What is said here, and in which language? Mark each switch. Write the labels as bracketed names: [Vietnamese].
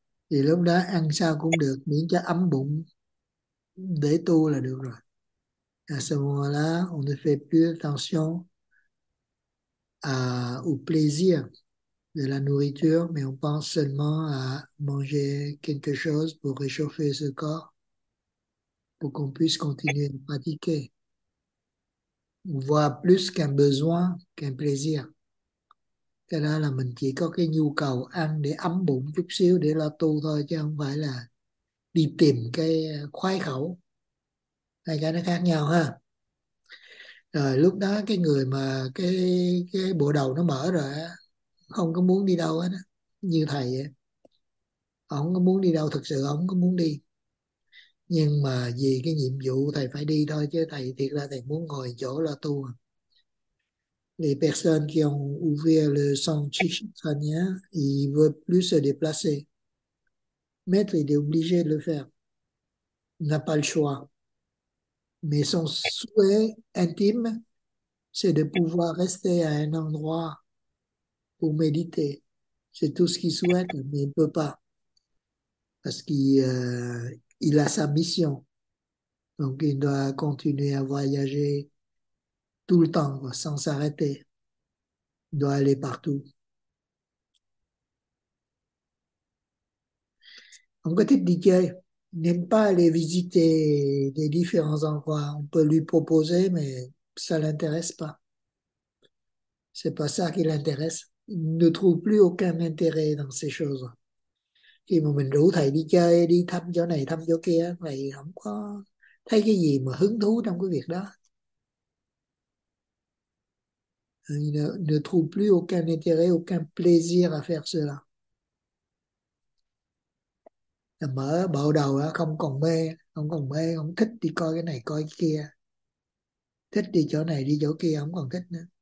[Vietnamese] Thì lúc đó ăn sao cũng được, miễn cho ấm bụng để tu là được rồi. [French] À ce moment-là, on ne fait plus attention à, au plaisir de la nourriture, mais on pense seulement à manger quelque chose pour réchauffer ce corps, pour qu'on puisse continuer de pratiquer. On voit plus qu'un besoin, qu'un plaisir. [Vietnamese] Cái đó là mình chỉ có cái nhu cầu ăn để ấm bụng chút xíu để lo tu thôi, chứ không phải là đi tìm cái khoái khẩu. Hai cái nó khác nhau ha. Rồi lúc đó cái người mà cái bộ đầu nó mở rồi á, không có muốn đi đâu hết á, như thầy á. Không có muốn đi đâu, thực sự không có muốn đi. Nhưng mà vì cái nhiệm vụ thầy phải đi thôi, chứ thầy thiệt ra thầy muốn ngồi chỗ lo tu à. [French] Les personnes qui ont ouvert le centre chichi crânien, ils veulent plus se déplacer. Maître, il est obligé de le faire. Il n'a pas le choix. Mais son souhait intime, c'est de pouvoir rester à un endroit pour méditer. C'est tout ce qu'il souhaite, mais il ne peut pas. Parce qu'il a sa mission. Donc, il doit continuer à voyager. Tout le temps, quoi, sans s'arrêter. Il doit aller partout. On peut être DJ, n'aime pas aller visiter des différents endroits. On peut lui proposer, mais ça l'intéresse pas. C'est pas ça qui l'intéresse. Il ne trouve plus aucun intérêt dans ces choses. [Vietnamese] Khi mà mình rủ thầy đi chơi, đi thăm chỗ này, thăm chỗ kia, thầy không có thấy cái gì mà hứng thú trong cái việc đó. [French] Ne trouve plus aucun intérêt, aucun plaisir à faire cela. [Vietnamese] Mở bộ đầu đó, không còn mê, không còn mê, không thích đi coi cái này coi cái kia, thích đi chỗ này đi chỗ kia, không còn thích nữa.